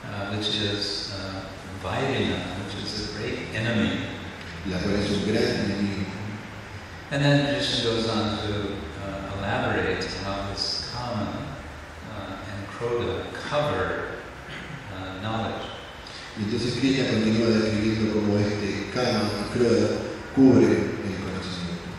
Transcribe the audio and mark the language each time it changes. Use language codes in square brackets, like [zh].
[en] Which is Vairina, which is a great enemy. [es] La cual es un gran enemigo. [en] And then Krishna goes on to elaborate how this kama and krodha cover knowledge. [es] Entonces Krishna continúa describiendo cómo este kama y krodha cubre el conocimiento.